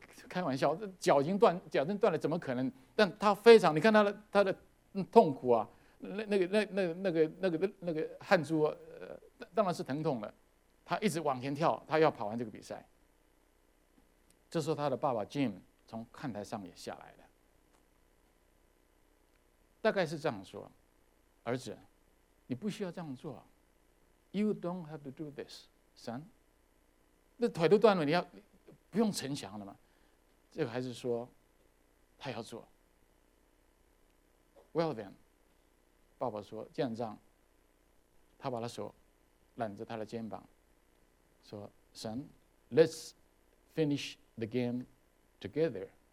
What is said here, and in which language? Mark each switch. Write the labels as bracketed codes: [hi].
[zh] 开玩笑，脚已经断，脚筋断了，怎么可能？但他非常，你看他的痛苦啊，那个汗珠、啊，当然是疼痛的。他一直往前跳，他要跑完这个比赛。这时候，他的爸爸 Jim 从看台上也下来了，大概是这样说：“儿子，你不需要这样做， [en] You don't have to do this, son. [zh] 那腿都断了，你要不用逞强了嘛？这个孩子说，他要做。 [en] Well then, [zh] 爸爸说，见状，他把他手揽着他的肩膀，说 ， [en] Son, let's finish the game together.